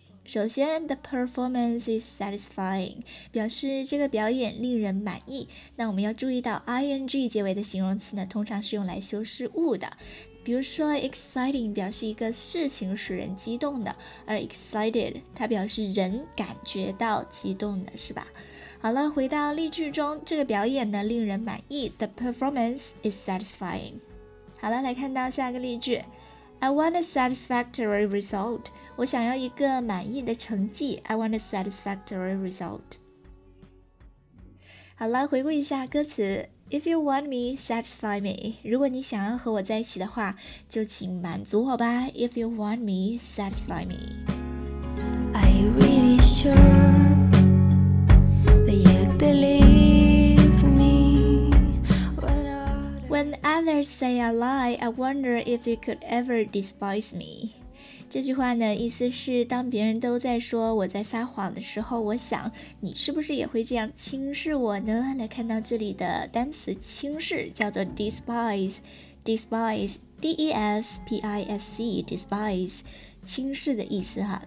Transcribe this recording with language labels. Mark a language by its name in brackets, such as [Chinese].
[Chinese] 首先 [English] the performance is satisfying， [Chinese] 表示这个表演令人满意。那我们要注意到 ing 结尾的形容词呢通常是用来修饰物的，比如说 exciting 表示一个事情使人激动的，而 excited 它表示人感觉到激动的，是吧？好了，回到例句中，这个表演呢令人满意， [English] The performance is satisfying。 [Chinese] 好了，来看到下个例句， [English] I want a satisfactory result， [Chinese] 我想要一个满意的成绩， I want a satisfactory result。好了，回顾一下歌词， [English] If you want me, satisfy me. 如果你想要和我在一起的话，就请满足我吧。 If you want me, satisfy me. Are you really sure that you'd believe me? When others say a lie, I wonder if you could ever despise me. [Chinese] 这句话呢，意思是当别人都在说我在撒谎的时候，我想你是不是也会这样轻视我呢？来看到这里的单词轻视叫做 despise， despise， D-E-S-P-I-S-E， despise， 轻视的意思哈。